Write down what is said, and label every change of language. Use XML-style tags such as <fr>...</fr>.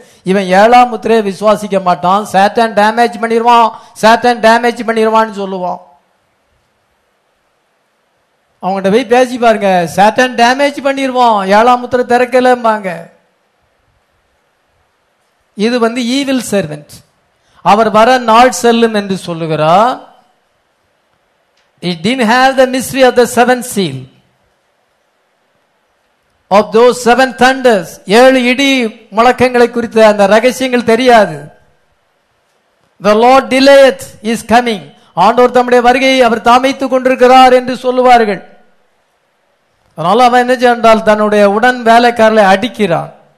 <ta>இவன் ஏழாம் முத்திரையை விசுவாசிக்க மாட்டான். சாத்தான் டேமேஜ் பண்ணிடுவான், சாத்தான் டேமேஜ் பண்ணிடுவான்னு சொல்லுவான். அவங்கள்ட்ட போய் பேசி பாருங்க, சாத்தான் டேமேஜ் பண்ணிடுவான், ஏழாம் முத்திர திறக்கலம்பாங்க. இது வந்து ஈவில் சர்வன்ட், அவர் வர நாள் செல்லும் என்று சொல்லுகிறார்.</ta> <en>He didn't have the mystery of the seven seal of those seven thunders.</en> <ta>ஏழு இடி முழக்கங்களை குறித்த அந்த ரகசியங்கள் தெரியாது.</ta> <en>The Lord delayeth his coming.</en> <ta>ஆண்டவர் தம்முடைய வருகையை அவர் தாமைத்துக் கொண்டிருக்கிறார் என்று சொல்லுவார்கள். அதனால அவன் என்ன செய்தால், தன்னுடைய உடன் வேலைக்காரர்களை அடிக்கிறான்.</ta>